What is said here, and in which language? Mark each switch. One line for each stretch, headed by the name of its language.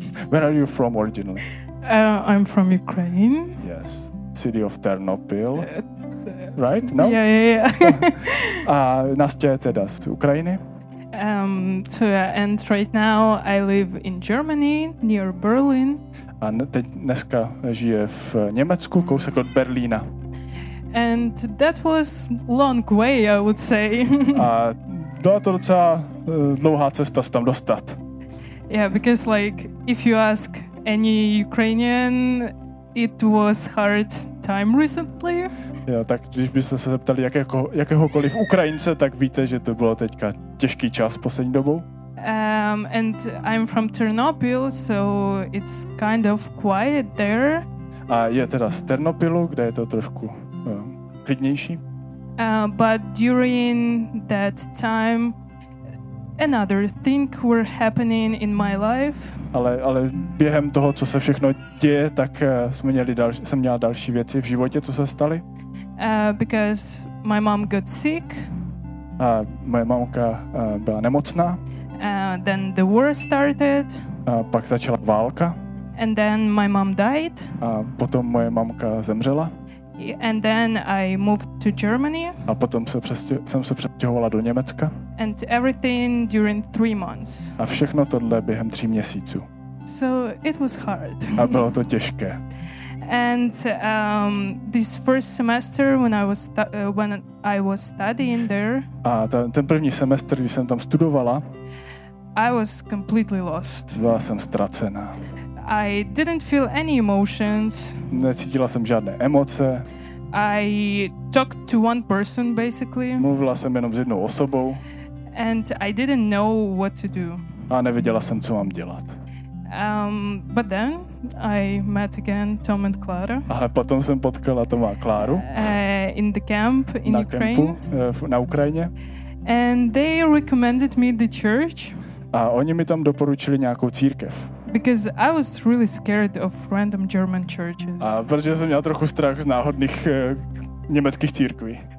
English: Where are you from originally? I'm from Ukraine. Yes, city of Ternopil. Right? No? Yeah.
Czech: Nástu je teda z Ukrajiny.
English: And right now I live in Germany, near Berlin.
Czech: A teď dneska žije v Německu, kousek od Berlína.
English: And that was long way, I would say.
Czech: A byla to docela dlouhá cesta se tam dostat.
English: Yeah, because like, if you ask any Ukrainian, it was hard time recently.
Czech: Jo, tak když byste se zeptali jakéhokoliv Ukrajince, tak víte, že to bylo teďka těžký čas poslední dobou.
English: And I'm from Ternopil, so it's kind of quiet there.
Czech: A je teda z Ternopilu, kde je to trošku klidnější.
English: But during that time, another thing were happening in my life.
Czech: Ale během toho, co se všechno děje, tak jsem měla další věci v životě, co se staly.
English: Because my mom got sick.
Czech: A moje mamka byla nemocná.
English: Then the war started.
Czech: A pak začala válka.
English: And then my mom died.
Czech: A potom moje mamka zemřela.
English: And then I moved to Germany.
Czech: A potom jsem se přestěhovala do Německa.
English: And everything during 3 months.
Czech: A všechno tohle během 3 měsíců.
English: So it was hard.
Czech: A bylo to těžké.
English: And this first semester when I was studying there.
Czech: A ten první semestr, když jsem tam studovala.
English: I was completely lost.
Czech: Byla jsem ztracená.
English: I didn't feel any emotions.
Czech: Necítila jsem žádné emoce.
English: I talked to one person basically.
Czech: Mluvila jsem jenom s jednou osobou.
English: And I didn't know what to do.
Czech: A nevěděla jsem, co mám dělat.
English: But then I met again Tom and Clara.
Czech: Ale potom jsem potkala Toma a Kláru.
English: In the camp in
Czech: na
English: Ukraine.
Czech: Kempu, na Ukrajině.
English: And they recommended me the church.
Czech: A oni mi tam doporučili nějakou církev.
English: Because I was really scared of random German churches.
Czech: A protože jsem měl trochu strach z náhodných německých církví.